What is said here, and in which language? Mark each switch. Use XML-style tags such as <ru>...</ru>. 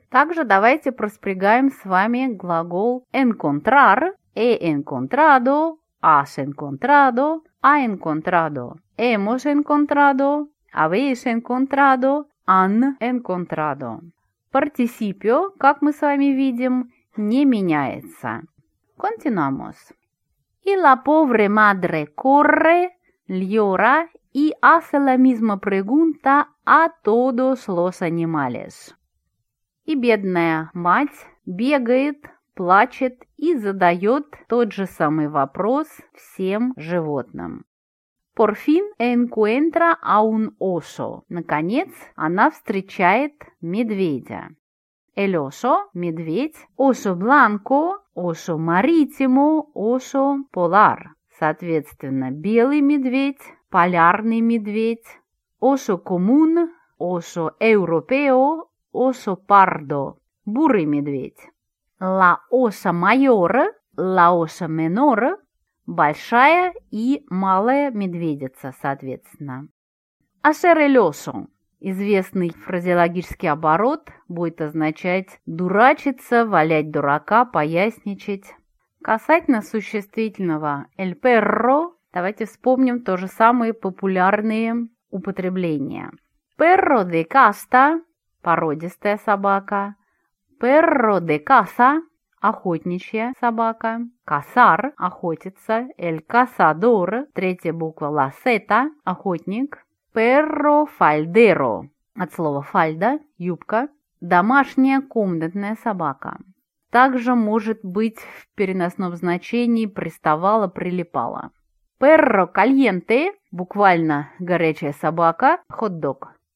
<ru>Также давайте проспрягаем с вами глагол</ru> <es>«encontrar», «he encontrado», «has encontrado», «ha encontrado», «hemos encontrado», «habéis encontrado», «han encontrado».</es> <ru>Participio, как мы с вами видим, не меняется.</ru> <es>Continuamos. Y la pobre madre corre, llora y hace la misma pregunta a todos los animales.</es> <ru>И бедная мать бегает, плачет и задает тот же самый вопрос всем животным.</ru> <es>Por fin encuentra a un oso.</es> <ru>Наконец, она встречает медведя.</ru> <es>El oso, медведь. Oso blanco, oso marítimo, oso polar.</es> <ru>Соответственно, белый медведь, полярный медведь.</ru> <es>Oso común, oso europeo, oso pardo.</es> <ru>Бурый медведь.</ru> <es>La osa mayor, la osa menor.</es> <ru>Большая и малая медведица, соответственно.</ru> <es>Hacer el oso.</es> <ru>Известный фразеологический оборот будет означать дурачиться, валять дурака, поясничать. Касательно существительного el perro, давайте вспомним тоже самые популярные употребления.</ru> <es>Perro de casta –</es> <ru>породистая собака.</ru> <es>Perro de casa –</es> <ru>охотничья собака. Cazar – охотиться. El cazador – третья буква la seta – охотник.</ru> <es>Perro faldero</es> <ru>– от слова фальда – юбка. Домашняя комнатная собака. Также может быть в переносном значении приставала, прилипала.</ru> <es>Perro caliente</es> <ru>– буквально горячая собака, хот-дог.</ru>